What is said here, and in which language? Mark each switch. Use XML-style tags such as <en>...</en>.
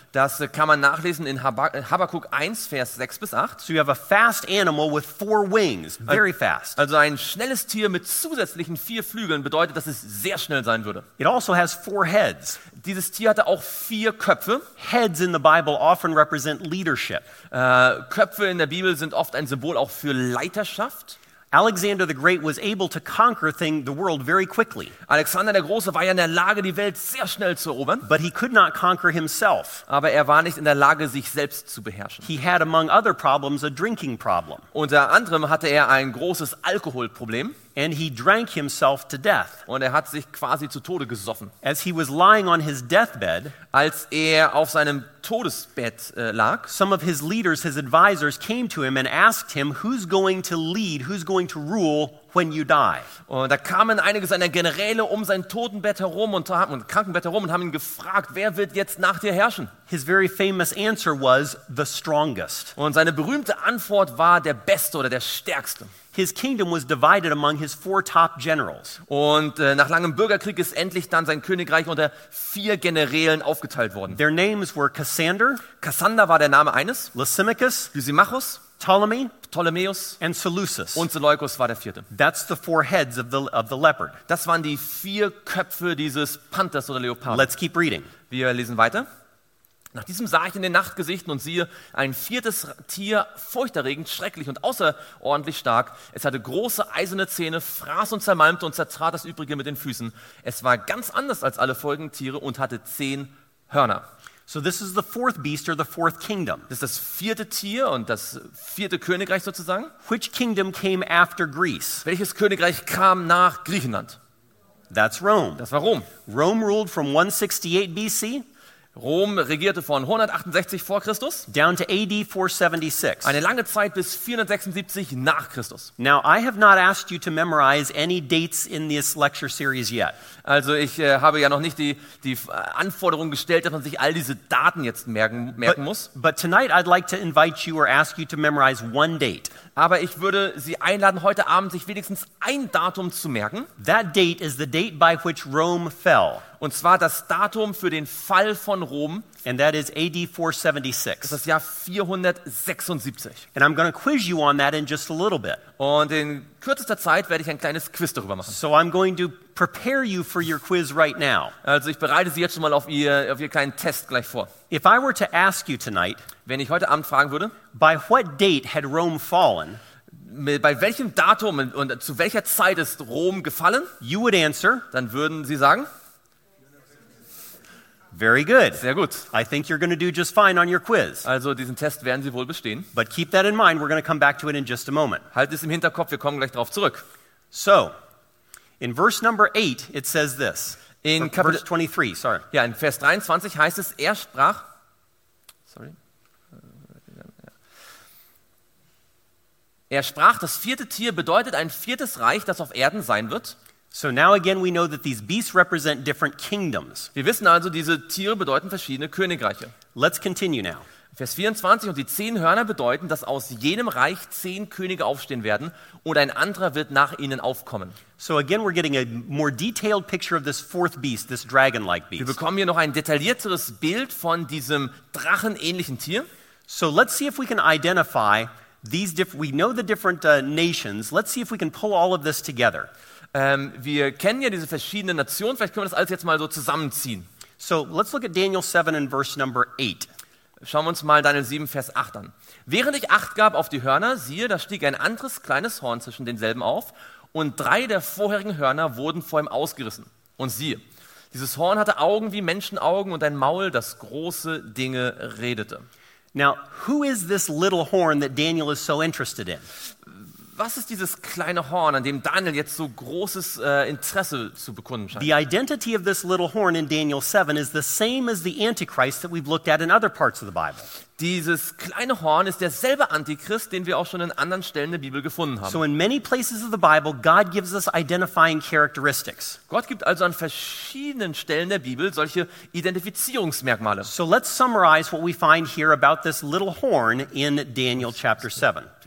<de>Das kann man nachlesen in Habakkuk 1, Vers 6 bis 8.</de> <en>So you have a fast animal with four wings, very fast.</en> <de>Also ein schnelles Tier mit zusätzlichen vier Flügeln bedeutet, dass es sehr schnell sein würde.</de> <en>It also has four heads.</en> <de>Dieses Tier hatte auch vier Köpfe.</de> <en>Heads in the Bible often represent leadership.</en> <de>Köpfe in der Bibel sind oft ein Symbol auch für Leiterschaft.</de> <en>Alexander the Great was able to conquer the world very quickly.</en> <de>Alexander der Große war ja in der Lage, die Welt sehr schnell zu erobern.</de> <en>But he could not conquer himself.</en> <de>Aber er war nicht in der Lage, sich selbst zu beherrschen.</de> <en>He had among other problems a drinking problem.</en> <de>Unter anderem hatte er ein großes Alkoholproblem.</de> <en>And he drank himself to death.</en> <de>Und er hat sich quasi zu Tode gesoffen.</de> <en>As he was lying on his deathbed,</en> <de>als er auf seinem Todesbett lag,</de> <en>some of his leaders, his advisors, came to him and asked him, "Who's going to lead? Who's going to rule when you die?"</en> <de>Und da kamen einige seiner Generäle um sein Totenbett herum und Krankenbett herum und haben ihn gefragt, wer wird jetzt nach dir herrschen?</de> <en>His very famous answer was the strongest.</en> <de>Und seine berühmte Antwort war der Beste oder der Stärkste.</de> <en>His kingdom was divided among his four top generals.</en> <de>Und nach langem Bürgerkrieg ist endlich dann sein Königreich unter vier Generälen aufgeteilt worden.</de> <en>Their names were Cassander.</en> <de>Cassander war der Name eines.</de> <en>Lysimachus.</en> <de>Lysimachus.</de> <en>Ptolemy.</en> <de>Ptolemäus.</de> <en>And Seleucus.</en> <de>Und Seleucus war der vierte.</de> <en>That's the four heads of the leopard.</en> <de>Das waren die vier Köpfe dieses Panthers oder Leopards.</de> <en>Let's keep reading.</en> <de>Wir lesen weiter. Nach diesem sah ich in den Nachtgesichten und siehe, ein viertes Tier, furchterregend, schrecklich und außerordentlich stark. Es hatte große eiserne Zähne, fraß und zermalmte und zertrat das Übrige mit den Füßen. Es war ganz anders als alle folgenden Tiere und hatte 10 Hörner.</de> <en>So this is the fourth beast or the fourth kingdom.</en> <de>Das ist das vierte Tier und das vierte Königreich sozusagen.</de> <en>Which kingdom came after Greece?</en> <de>Welches Königreich kam nach Griechenland?</de> <en>That's Rome.</en> <de>Das war Rom.</de> <en>Rome ruled from 168 BC.</en> <de>Rom regierte von 168 vor Christus</de> <en>down to AD 476.</en> <de>Eine lange Zeit bis 476 nach Christus.</de> <en>Now I have not asked you to memorize any dates in this lecture series yet.</en> <de>Also ich habe ja noch nicht die Anforderung gestellt, dass man sich all diese Daten jetzt merken muss.</de> <en>But tonight I'd like to invite you or ask you to memorize one date.</en> <de>Aber ich würde Sie einladen, heute Abend sich wenigstens ein Datum zu merken.</de> <en>That date is the date by which Rome fell.</en> <de>Und zwar das Datum für den Fall von Rom.</de> <en>And that is AD 476.</en> <de>Das ist das Jahr 476.</de> <en>And I'm going to quiz you on that in just a little bit.</en> <de>Und in kürzester Zeit werde ich ein kleines Quiz darüber machen.</de> <en>So I'm going to prepare you for your quiz right now.</en> <de>Also ich bereite Sie jetzt schon mal auf ihr kleinen Test gleich vor.</de> <en>If I were to ask you tonight,</en> <de>wenn ich heute Abend fragen würde,</de> <en>by what date had Rome fallen?</en> <de>Bei welchem Datum und zu welcher Zeit ist Rom gefallen?</de> <en>You would answer.</en> <de>Dann würden Sie sagen.</de> <en>Very good.</en> <de>Sehr gut.</de> <en>I think you're going to do just fine on your quiz.</en> <de>Also diesen Test werden Sie wohl bestehen.</de> <en>But keep that in mind. We're going to come back to it in just a moment.</en> <de>Halt es im Hinterkopf. Wir kommen gleich drauf zurück.</de> <en>So, in verse number 8, it says this. In verse 23, sorry.</en> <de>Ja, in Vers 23 heißt es, er sprach. Sorry. Er sprach, das vierte Tier bedeutet ein viertes Reich, das auf Erden sein wird.</de> <en>So now again we know that these beasts represent different kingdoms.</en> <de>Wir wissen also, diese Tiere bedeuten verschiedene Königreiche.</de> <en>Let's continue now.</en> <de>Vers 24, und die 10 Hörner bedeuten, dass aus jenem Reich 10 Könige aufstehen werden und ein anderer wird nach ihnen aufkommen.</de> <en>So again we're getting a more detailed picture of this fourth beast, this dragon-like beast.</en> <de>Wir bekommen hier noch ein detaillierteres Bild von diesem drachenähnlichen Tier.</de> <en>So let's see if we can identify these different, we know the different nations, let's see if we can pull all of this together.</en> <de>Wir kennen ja diese verschiedenen Nationen, vielleicht können wir das alles jetzt mal so zusammenziehen.</de> <en>So, let's look at Daniel 7 and verse number 8.</en> <de>Schauen wir uns mal Daniel 7, Vers 8 an. Während ich Acht gab auf die Hörner, siehe, da stieg ein anderes kleines Horn zwischen denselben auf und drei der vorherigen Hörner wurden vor ihm ausgerissen. Und siehe, dieses Horn hatte Augen wie Menschenaugen und ein Maul, das große Dinge redete.</de> <en>Now, who is this little horn that Daniel is so interested in?</en> <de>was ist dieses kleine Horn, an dem Daniel jetzt so großes Interesse zu bekunden scheint?</de> <en>The identity of this little horn in Daniel 7 is the same as the Antichrist that we've looked at in other parts of the Bible.</en> <de>Dieses kleine Horn ist derselbe Antichrist, den wir auch schon in anderen Stellen der Bibel gefunden haben.</de> <en>So in many places of the Bible, God gives us identifying characteristics.</en> <de>Gott gibt also an verschiedenen Stellen der Bibel solche Identifizierungsmerkmale.</de> <en>So let's summarize what we find here about this little horn in Daniel chapter 7.</en>